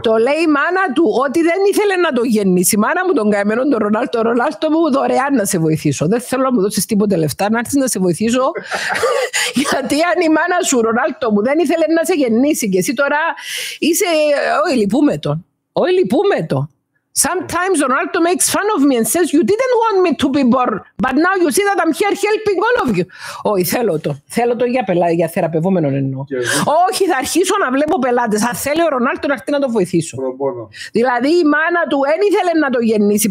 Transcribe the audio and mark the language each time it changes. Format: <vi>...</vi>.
<el>Το λέει η μάνα του ότι δεν ήθελε να τον γεννήσει. Η μάνα μου τον καημένο, τον Ρονάλτο. Ρονάλτο μου, δωρεάν να σε βοηθήσω. Δεν θέλω να μου δώσεις τίποτε λεφτά, να έρθεις να σε βοηθήσω. Γιατί αν η μάνα σου, Ρονάλτο μου, δεν ήθελε να σε γεννήσει και εσύ τώρα είσαι... Όχι, λυπούμε τον. Όχι, λυπούμε το.</el> <en>Sometimes Ronaldo makes fun of me and says, you didn't want me to be born, but now you see that I'm here helping all of you.</en> <el>Όχι, θέλω το. Θέλω το για πελάτες, για θεραπευόμενο εννοώ. Όχι, θα αρχίσω να βλέπω πελάτες. Θα θέλει ο Ρονάλτο να έρθει να το βοηθήσω. Δηλαδή, η μάνα του δεν ήθελε να το γεννήσει.</el>